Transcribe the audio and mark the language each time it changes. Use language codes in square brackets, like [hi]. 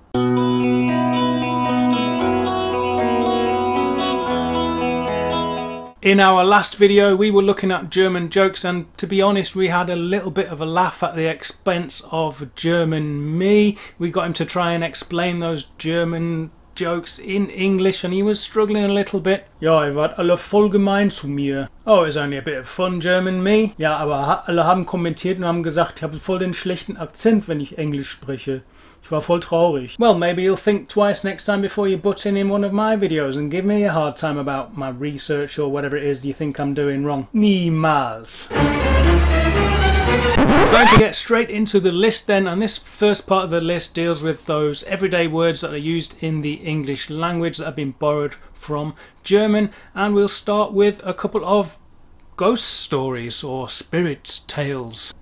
[en] In our last video, we were looking at German jokes, and to be honest, we had a little bit of a laugh at the expense of German me. We got him to try and explain those German jokes in English, and he was struggling a little bit. [de] Ja, ich war alle voll gemein zu mir. [en] Oh, it was only a bit of fun, German me. [de] Ja, aber alle haben kommentiert und haben gesagt, ich habe voll den schlechten Akzent, wenn ich Englisch spreche. Ich war voll traurig. [en] Well, maybe you'll think twice next time before you butt in one of my videos and give me a hard time about my research or whatever it is you think I'm doing wrong. [de] Niemals. [en] We're going to get straight into the list then, and this first part of the list deals with those everyday words that are used in the English language that have been borrowed from German, and we'll start with a couple of ghost stories or spirit tales.